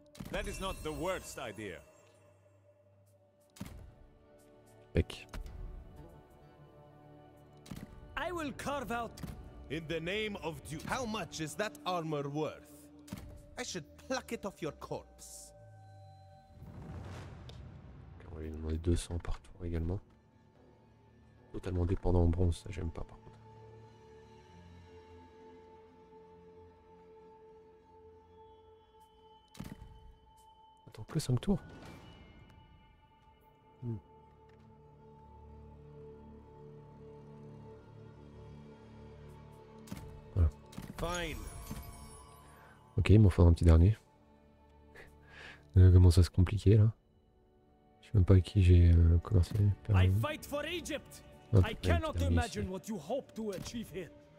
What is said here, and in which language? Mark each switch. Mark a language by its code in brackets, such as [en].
[en] That is not the worst idea. Pec. I will carve out in the name of Duke. How much is that armor worth? I should pluck it off your corpse. [fr] Okay, on va lui demander 200 par tour également. Totalement dépendant en bronze, ça j'aime pas. Que 5 tours. [en] Fine. [fr] Ok, il m'en faudra un petit dernier. Ça commence à se compliquer là. Je sais même pas avec qui j'ai commencé. [en] I fight for Egypt. I cannot imagine what you hope to achieve here.